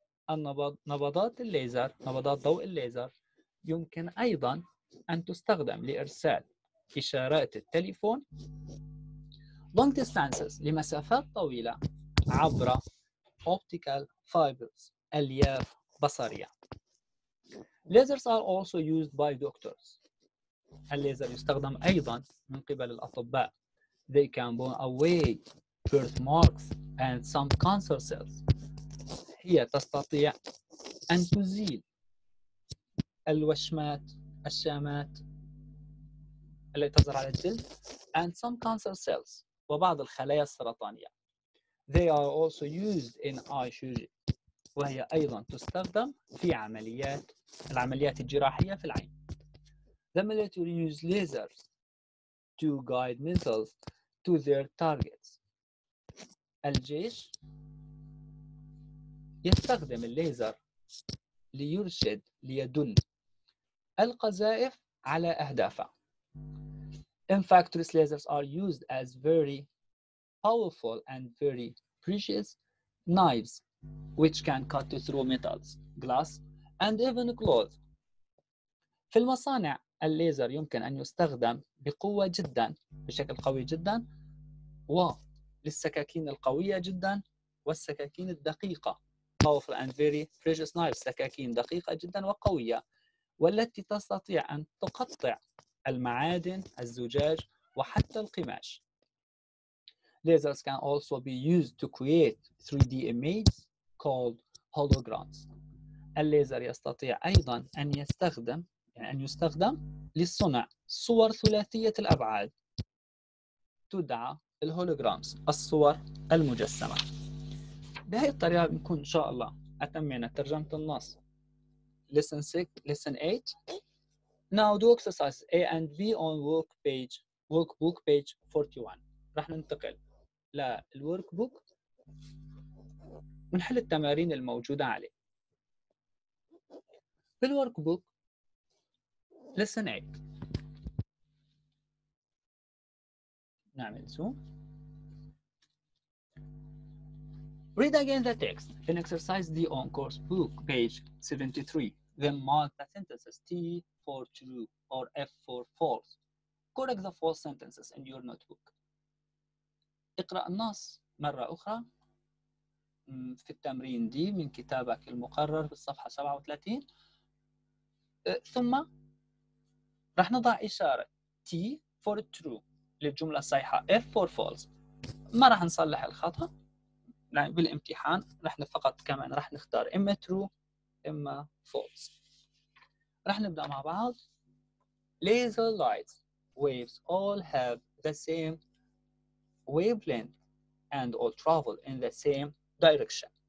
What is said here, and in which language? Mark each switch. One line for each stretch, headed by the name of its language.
Arabic: نبضات ضوء الليزر يمكن أيضا أن تستخدم لإرسال إشارات التليفون
English: long distances
Arabic: لمسافات طويلة عبر
English: optical fibers
Arabic: ألياف بصرية.
English: Lasers are also used by doctors.
Arabic: الليزر يستخدم أيضا من قبل الأطباء.
English: They can burn away birthmarks and some cancer cells.
Arabic: هي تستطيع أن تزيل الوشمات الشامات التي تظهر على الجلد
English: and some cancer cells
Arabic: وبعض الخلايا السرطانية.
English: They are also used in eye surgery
Arabic: وهي أيضا تستخدم في العمليات الجراحية في العين.
English: The military use lasers to guide missiles to their targets.
Arabic: الجيش يستخدم الليزر ليرشد ليدل القذائف على أهدافه.
English: In fact, these lasers are used as very powerful and very precious knives, which can cut through metals, glass, and even cloth.
Arabic: في المصانع الليزر يمكن أن يستخدم بقوة جدا بشكل قوي جدا وللسكاكين القوية جدا والسكاكين الدقيقة
English: powerful and very precious knives
Arabic: سكاكين دقيقة جدا وقوية والتي تستطيع أن تقطع المعادن الزجاج وحتى القماش.
English: Lasers can also be used to create 3D images called holograms.
Arabic: الليزر يستطيع أيضا أن يستخدم يعني أن يستخدم للصنع صور ثلاثية الأبعاد تدعى الهولوغرامز الصور المجسمة. بهذه الطريقة بنكون إن شاء الله أتمينا ترجمة النص.
English: Listen 6, Listen 8. Now do exercise A and B on workbook page 41.
Arabic: رح ننتقل للworkbook ونحل التمارين الموجودة عليه.
English: بالworkbook Listen 8.
Arabic: نعمل زوم.
English: Read again the text in exercise D on course book page 73. Then mark the sentences T for true or F for false. Correct the false sentences in your notebook.
Arabic: اقرأ النص مرة أخرى في التمرين D من كتابك المقرر بالصفحة 37. ثم رح نضع إشارة
English: T for true
Arabic: للجملة الصحيحة
English: F for false.
Arabic: ما رح نصلح الخطأ يعني بالامتحان نحن فقط كمان رح نختار إما true إما false. رح نبدأ مع بعض.
English: Laser lights waves all have the same wavelength and all travel in the same direction.